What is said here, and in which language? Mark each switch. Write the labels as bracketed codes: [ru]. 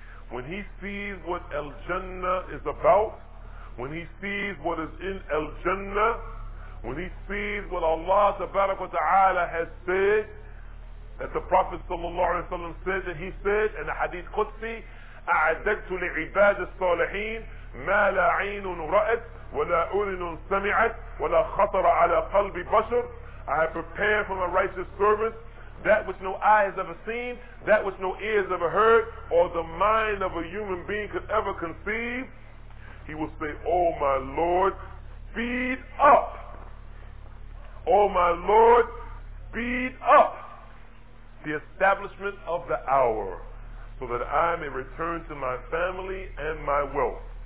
[en] When he sees what Al-Jannah is about, when he sees what is in Al-Jannah, when he sees what Allah tabaraka wa ta'ala has said, that the Prophet sallallahu alayhi wa sallam said, that he said in the hadith Qudsi, [ar] أعددت لعباد الصالحين ما لا عين رأت ولا أذن سمعت ولا خطر على قلب بشر. [en] I have prepared for my righteous servants that which no eye has ever seen, that which no ears ever heard, or the mind of a human being could ever conceive. He will say, oh my Lord, speed up. Oh my Lord, speed up the establishment of the hour, so that I may return to my family and my wealth.